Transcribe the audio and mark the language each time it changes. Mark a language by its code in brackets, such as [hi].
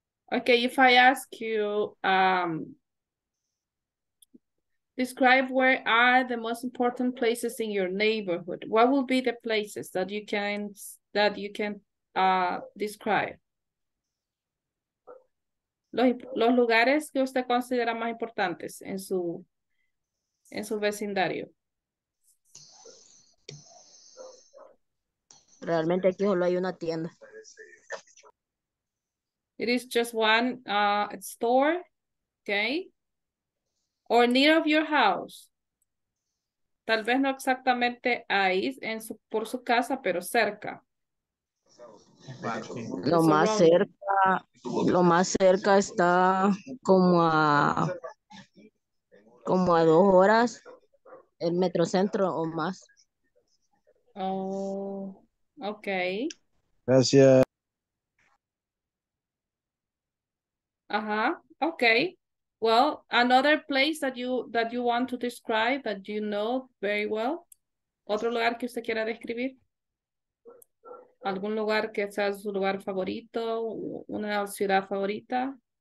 [en] Okay, if I ask you, describe where are the most important places in your neighborhood. What will be the places that you can describe? [es] Los lugares que usted considera más importantes en su vecindario. Realmente aquí solo hay una tienda. [en] It is just one store, okay? Or near of your house. [es] Tal vez no exactamente ahí en su, por su casa, pero cerca. Lo más cerca está como a 2 horas el metro centro o más. [en] Oh, okay. [es] Gracias. Ajá, okay. [en] Well, another place that you want to describe that you know very well. [es] Otro lugar que usted quiera describir. Algún lugar que sea su lugar favorito, una ciudad favorita.